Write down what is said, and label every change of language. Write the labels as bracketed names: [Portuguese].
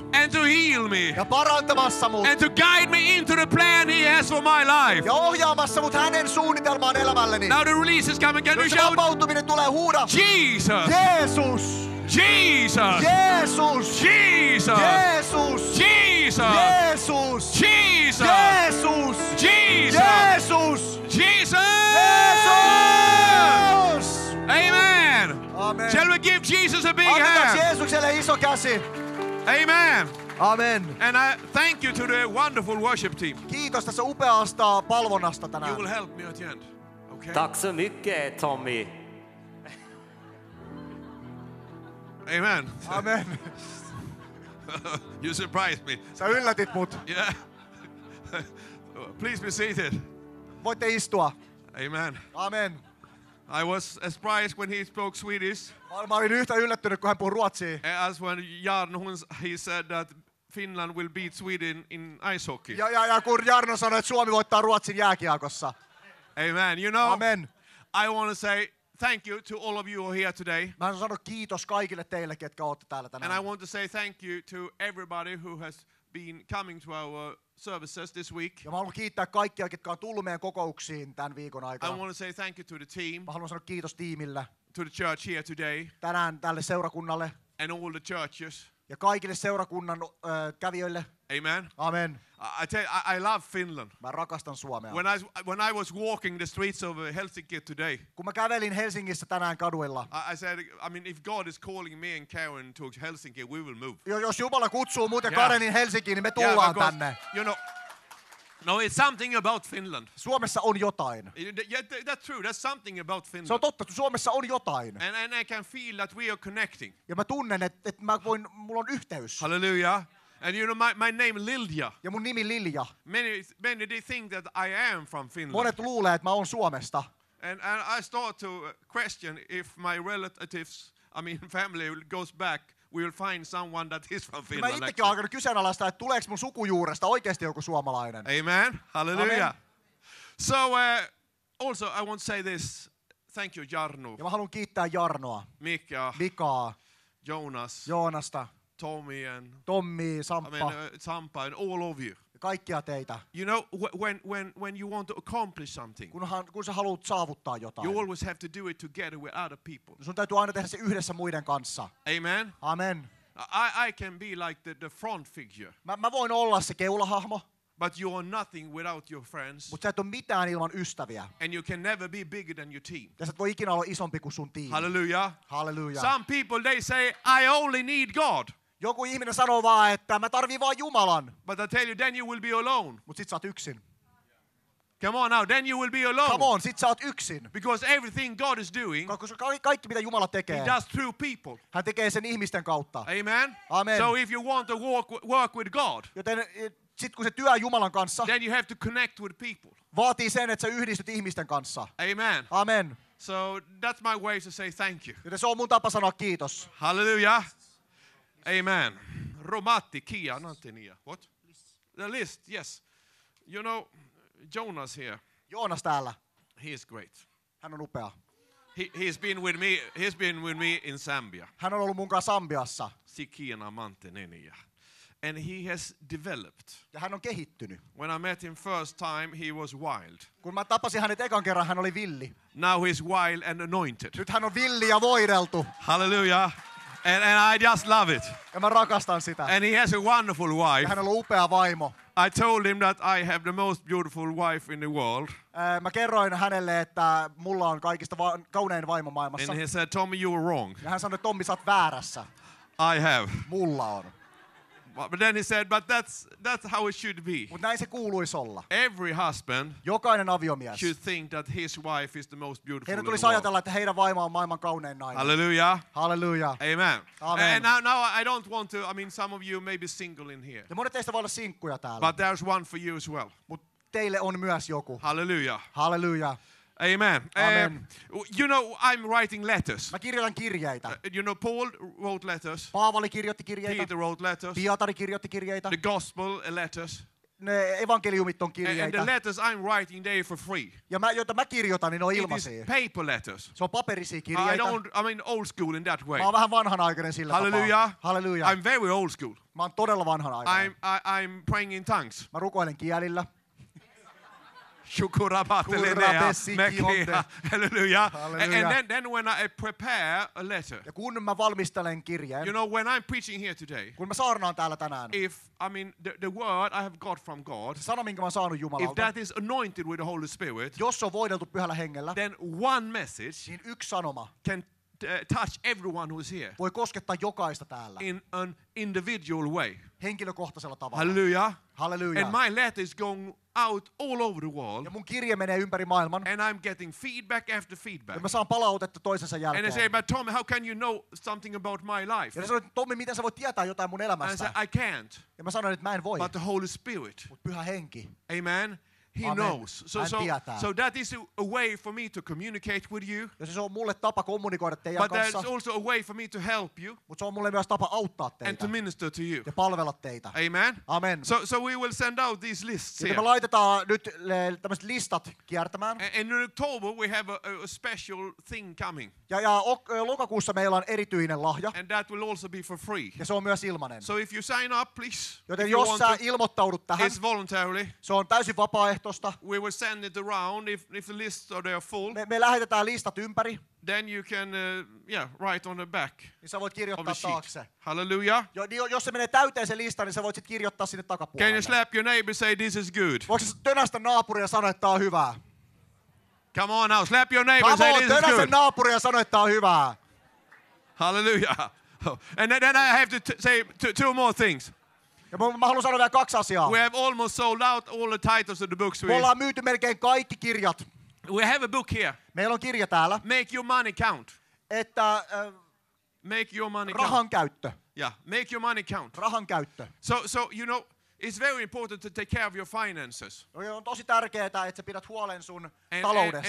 [English] And to heal me. [Finnish] Ja parantamassa mut. [English] And to guide me into the plan he has for my life. [Finnish] Ja ohjaamassa mut hänen suunnitelmaan. [English] Now the release is coming. Can you shout? [Finnish] Vapautuminen tulee, huuda. [English] Jesus. [Finnish] Jeesus. [English] Jesus. [Finnish] Jeesus. [English] Jesus. Jesus. Jesus. [Finnish] Jeesus. [English] Jesus. [Finnish] Jeesus. [English] Jesus. Jesus. Amen. [Finnish] Amen. [English] Shall we give Jesus a big hand? [Finnish] Annetaan Jeesukselle iso käsi. [English] Amen. [Finnish] Amen. [English] And I thank you to the wonderful worship team. [Finnish] Kiitos tästä upeasta palvonnasta tänään. [English] You will help me at the end. Okay. [Swedish] Tack så mycket, Tommy. [English] Amen. [Finnish] Amen. [English] You surprised me. [Finnish] Sä yllätit mut. [English] Yeah. Please be seated. [Finnish] Voitte istua. [English] Amen. [Finnish] Amen. [English] I was surprised when he spoke Swedish. [Finnish] Mä olin yhtä yllättynyt, kun hän puhui ruotsia. [English] As when Jarno, he said that Finland will beat Sweden in ice hockey. [Finnish] Ja kun Jarno sanoi, että Suomi voittaa Ruotsin jääkiekossa. [English] Amen. You know, amen. I want to say thank you to all of you who are here today. [Finnish] Mä haluan sanoa kiitos kaikille teille, ketkä olette täällä tänään. [English] And I want to say thank you to everybody who has been coming to our services this week. [Finnish] Ja mä haluan kiittää kaikkia, ketkä on tullut meidän kokouksiin tämän viikon aikana. [English] I want to say thank you to the team. [Finnish] Mä haluan sanoa kiitos tiimille. [English] To the church here today. [Finnish] Tänään tälle seurakunnalle. [English] And all the churches. [Finnish] Ja kaikille seurakunnan kävijöille. [English] Amen. [Finnish] Amen. [English] I tell you, I love Finland. [Finnish] Mä rakastan Suomea. [English] When I was walking the streets of Helsinki today. [Finnish] Kun mä kävelin Helsingissä tänään kaduilla. [English] I said, I mean, if God is calling me and Karen to Helsinki, we will move. [Finnish] Jos Jumala kutsuu muuten Karenin Helsinkiin, niin me tullaan tänne. [English] You know, no, it's something about Finland. [Finnish] Suomessa on jotain. [English] Yeah, that's true. That's something about Finland. [Finnish] Se on totta, Suomessa on jotain. [English] And I can feel that we are connecting. [Finnish] Ja mä tunnen, että mä voin, mulla on yhteys. [English] Hallelujah. And you know my name Lilja. [Finnish] Ja mun nimi Lilja. [English] Many they think that I am from Finland. [Finnish] Monet luulee, että mä oon Suomesta. [English] And I start to question if my relatives, I mean family, goes back. We will find someone that is from Finland. [Finnish] Mä itsekin alkanut kyseenalaistaa, että tuleeko mun sukujuuresta oikeasti joku suomalainen. [English] Amen. Hallelujah. Amen. So also I want to say this. Thank you, Jarno. [Finnish] Ja mä haluan kiittää Jarnoa. Mikaa. Jonas. Joonasta. [English] Tommy, Sampa. I mean, Sampa and all of you. [Finnish] Kaikkia teitä. [English] You know, when you want to accomplish something. [Finnish] Kun sä haluat saavuttaa jotain. [English] You always have to do it together with other people. [Finnish] Sun täytyy aina tehdä se yhdessä muiden kanssa. [English] Amen. [Finnish] Amen. [English] I can be like the front figure. [Finnish] Mä voin olla se keulahahmo. [English] But you are nothing without your friends. [Finnish] Mutta et ole mitään ilman ystäviä. [English] And you can never be bigger than your team. [Finnish] Ja sä et voi ikinä olla isompi kuin sun tiimi. [English] Hallelujah. [Finnish] Hallelujah. [English] Some people they say I only need God. [Finnish] Joku ihminen sanoo vaan, että mä tarvii vaan Jumalan. [English] But I tell you, then you will be alone. [Finnish] Mut sit sä oot yksin. [English] Come on now, then you will be alone. Come on, [Finnish] sit sä oot yksin. [English] Because everything God is doing, [Finnish] kaikki mitä Jumala tekee, he does through people. Hän tekee sen ihmisten kautta. [English] Amen. [Finnish] Amen. [English] So if you want to work with God, [Finnish] joten sit kun se työ Jumalan kanssa, [English] then you have to connect with people. [Finnish] Vaatii sen, että sä yhdistyt ihmisten kanssa. [English] Amen. [Finnish] Amen. [English] So that's my way to say thank you. [Finnish] Joten se on mun tapa sanoa kiitos. [English] Hallelujah. Amen. Romatti, Kia, Nantinia. What? The list, yes. You know, Jonas here. [Finnish] Jonas täällä. [English] He is great. [Finnish] Hän on upea. [English] He's been with me in Zambia. [Finnish] Hän on ollut mun kanssa Sambiassa. [English] Sikina Mantenenia. And he has developed. [Finnish] Ja hän on kehittynyt. [English] When I met him first time, he was wild. [Finnish] Kun mä tapasin hänet ekan kerran, hän oli villi. [English] Now he's wild and anointed. [Finnish] Nyt hän on villi ja voideltu. [English] Hallelujah. And I just love it. [Finnish] Ja mä rakastan sitä. [English] And he has a wonderful wife. [Finnish] Ja hän on upea vaimo. [English] I told him that I have the most beautiful wife in the world. [Finnish] Mä kerroin hänelle, että mulla on kaikista kaunein vaimo maailmassa. [English] And he said, Tommy, you were wrong. [Finnish] Ja hän sanoi, Tommy, sä oot väärässä. [English] I have. [Finnish] Mulla on. [English] But then he said, but that's how it should be. [Finnish] Mut näin se kuuluisi olla. [English] Every husband, [Finnish] jokainen aviomies, [English] should think that his wife is the most beautiful. [Finnish] Heidän tulisi ajatella, että heidän vaimo on maailman kaunein nainen. [English] Hallelujah. [Finnish] Hallelujah. [English] Amen. [Finnish] Amen. [English] And now I don't want to. I mean, some of you may be single in here. [Finnish] Ja monet teistä voi olla sinkkuja täällä. [English] But there's one for you as well. [Finnish] Mut teille on myös joku. [English] Hallelujah. [Finnish] Hallelujah. [English] Amen. [Finnish] Amen. [English] You know, I'm writing letters. [Finnish] Mä kirjoitan kirjeitä. [English] You know, Paul wrote letters. [Finnish] Paavali kirjoitti kirjeitä. [English] Peter wrote letters. [Finnish] Pietari kirjoitti kirjeitä. [English] The gospel letters. [Finnish] Ne evankeliumit on kirjeitä. [English] And the letters I'm writing, they're for free. [Finnish] Ja mä, joita mä kirjoitan, niin ne on ilmaisia. [English] It is paper letters. [Finnish] Se on paperisia kirjeitä. [English] I mean old school in that way. [Finnish] Mä oon vähän vanhanaikainen sillä [English] Hallelujah. [Finnish] Tapaa. [English] Hallelujah. I'm very old school. [Finnish] Mä oon todella vanhanaikainen. [English] I'm praying in tongues. [Finnish] Mä rukoilen kielillä. Shukurabatelenea, mekia, halleluja. [English] And then when I prepare a letter. [Finnish] Ja kun mä valmistelen kirjeen. [English] You know, when I'm preaching here today. [Finnish] Kun mä saarnaan täällä tänään. [English] If, I mean, the word I have got from God. [Finnish] Sano, minkä mä oon saanut Jumalalta. [English] If that is anointed with the Holy Spirit. [Finnish] Jos se on voideltu Pyhällä Hengellä. [English] Then one message. [Finnish] Niin yksi sanoma. [English] Can touch everyone who is here. [Finnish] Voi koskettaa jokaista täällä. [English] In an individual way. [Finnish] Henkilökohtaisella tavalla. [English] Hallelujah. [Finnish] Hallelujah. [English] And my letter is going out all over the world. [Finnish] Ja mun kirje menee ympäri maailman. [English] And I'm getting feedback after feedback. [Finnish] Ja mä saan palautetta toisensa jälkeen. [English] And they say, but Tommy, how can you know something about my life? [Finnish] Ja mä sanoin, Tommy, miten sä voit tietää jotain mun elämästä? [English] And I said, I can't. [Finnish] Ja mä sanoin, että mä en voi. [English] But the Holy Spirit. [Finnish] Mut Pyhä Henki. [English] Amen. He [Finnish] Amen. [English] Knows. So that is a way for me to communicate with you. [Finnish] Ja se on mulle tapa kommunikoida teidän [English] but [Finnish] kanssa. [English] But that's also a way for me to help you. [Finnish] Mut se on mulle myös tapa auttaa teitä. [English] And to minister to you. [Finnish] Ja palvella teitä. [English] Amen. [Finnish] Amen. [English] So we will send out these lists. [Finnish] Ja me laitetaan nyt tämmöiset listat kiertämään. [English] And in October we have a special thing coming. [Finnish] Ja lokakuussa meillä on erityinen lahja. [English] And that will also be for free. [Finnish] Ja se on myös ilmainen. [English] So if you sign up, please. [Finnish] Joten jos sä ilmoittaudut tähän. [English] It's voluntarily. [Finnish] Se on täysin vapaaehtoista. [English] We will send it around if the lists are they are full. [Finnish] Me lähetetään listat ympäri. [English] Then you can write on the back. [Finnish] Niin sä voit kirjoittaa taakse. [English] Hallelujah. [Finnish] Jos se menee täyteen se lista, niin sä voit sit kirjoittaa sinne takapuolelle. [English] Can you slap your neighbor say this is good? [Finnish] Voitko sä tönästä naapuria sano että on hyvää? [English] Come on now, slap your neighbor say this is good. Come on, [Finnish] tönä sen naapuria sano että on hyvää. [English] Hallelujah. And then I have to say two more things. [Finnish] Ja mä haluan sanoa vielä kaksi asiaa. [English] We have almost sold out all the titles of the books. [Finnish] Me ollaan myyty melkein kaikki kirjat. [English] We have a book here. [Finnish] Meillä on kirja täällä. [English] Make your money count. [Finnish] Että [English] make your money [Finnish] rahan [English] count. [Finnish] Käyttö. [English] Yeah, make your money count. [Finnish] Rahan käyttö. [English] So you know, it's very important to take care of your finances. [Finnish] On tosi tärkeää, että sä pidät huolen sun taloudesta.